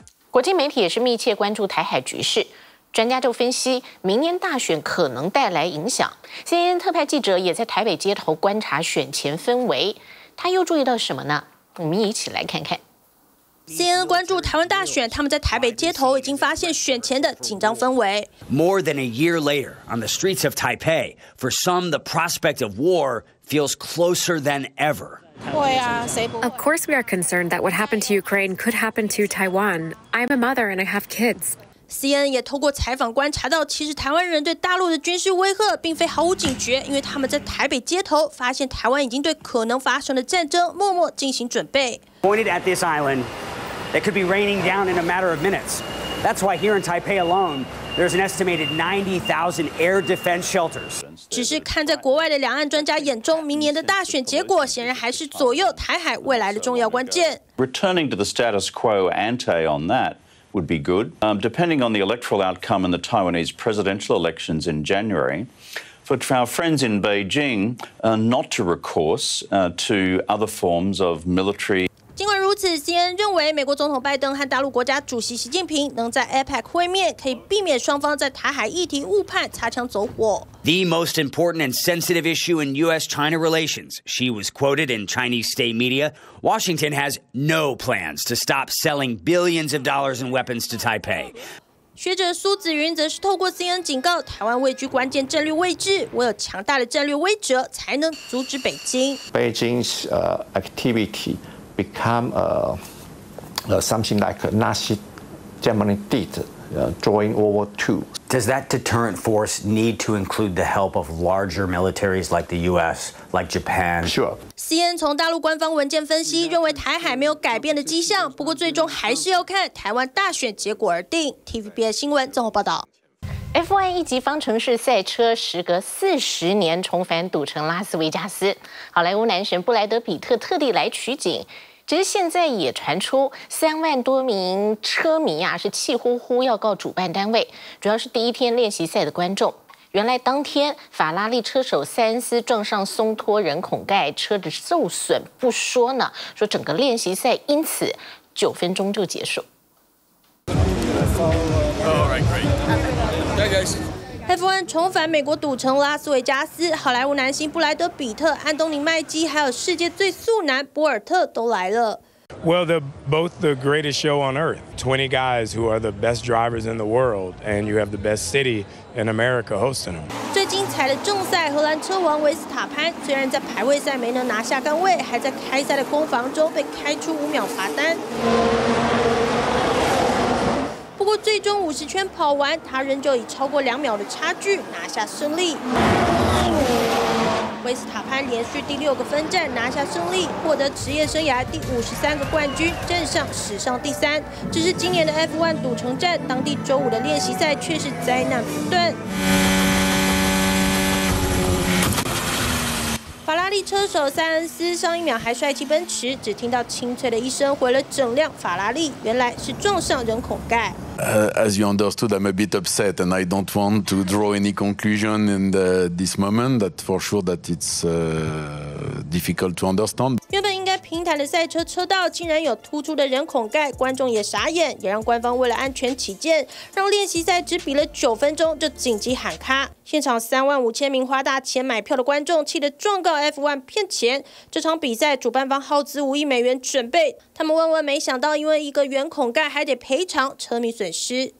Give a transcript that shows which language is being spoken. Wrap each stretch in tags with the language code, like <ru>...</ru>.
<zh>国际媒体也是密切关注台海局势，专家就分析明年大选可能带来影响。 CNN 特派记者也在台北街头观察选前氛围，他又注意到什么呢？我们一起来看看。 CNN 关注台湾大选，他们在台北街头已经发现选前的紧张氛围。</zh> <en>More than a year later, on the streets of Taipei, for some, the prospect of war feels closer than ever. Of course, we are concerned that what happened to Ukraine could happen to Taiwan. I'm a mother and I have kids.</en> <zh>CNN 也透过采访观察到，其实台湾人对大陆的军事威吓并非毫无警觉，因为他们在台北街头发现台湾已经对可能发生的战争默默进行准备。</zh> <en>Pointed at this island, it could be raining down in a matter of minutes. That's why here in Taipei alone. There's an estimated 90,000 air defense shelters.</en> <zh>只是看在国外的两岸专家眼中，明年的大选结果显然还是左右台海未来的重要关键。</zh> <en>Returning to the status quo ante on that would be good. Depending on the electoral outcome in the Taiwanese presidential elections in January, for our friends in Beijing, not to recourse to other forms of military.</en> <zh>尽管如此 ，CNN 认为美国总统拜登和大陆国家主席习近平能在 APEC 会面，可以避免双方在台海议题误判、擦枪走火。</zh> <en>The most important and sensitive issue in U.S.-China relations, she was quoted in Chinese state media. Washington has no plans to stop selling billions of dollars in weapons to Taipei.</en> <zh>学者苏子云则是透过 CNN 警告，台湾位居关键战略位置，唯有强大的战略威慑，才能阻止北京。</zh> <en>Beijing's activity. Become something like a Nazi Germany did during World War II. Does that deterrent force need to include the help of larger militaries like the U.S., like Japan? Sure.</en> <zh>CNN 从大陆官方文件分析，认为台海没有改变的迹象，不过最终还是要看台湾大选结果而定。 TVBS 新闻综合报道。 F1 一级方程式赛车时隔40年重返赌城拉斯维加斯，好莱坞男神布莱德比特特地来取景。其实现在也传出30,000多名车迷啊，是气呼呼要告主办单位，主要是第一天练习赛的观众。原来当天法拉利车手塞恩斯撞上松脱人孔盖，车子受损不说呢，说整个练习赛因此9分钟就结束。 F1 重返美国赌城拉斯维加斯，好莱坞男星布莱德比特、安东尼麦基，还有世界最速男博尔特都来了。</zh> <en>Well, they're both the greatest show on earth. 20 guys who are the best drivers in the world, and you have the best city in America hosting them.</en> <zh>最精彩的正赛，荷兰车王维斯塔潘虽然在排位赛没能拿下杆位，还在开赛的攻防中被开出5秒罚单。不过最终50圈跑完，他仍旧以超过2秒的差距拿下胜利。维斯塔潘连续第6个分站拿下胜利，获得职业生涯第53个冠军，站上史上第3。只是今年的 F1 赌城站，当地周五的练习赛却是灾难不断。法拉利车手塞恩斯上一秒还帅气奔驰，只听到清脆的一声毁了整辆法拉利，原来是撞上人孔盖。</zh> <en>As you understood, I'm a bit upset, and I don't want to draw any conclusion in this moment. That for sure that it's difficult to understand.</en> <zh>原本应该平坦的赛车车道竟然有突出的人孔盖，观众也傻眼，也让官方为了安全起见，让练习赛只比了9分钟就紧急喊卡。现场35,000名花大钱买票的观众气得状告 F1 骗钱。这场比赛主办方耗资5亿美元准备，他们万万没想到，因为一个圆孔盖还得赔偿车迷损失。</zh>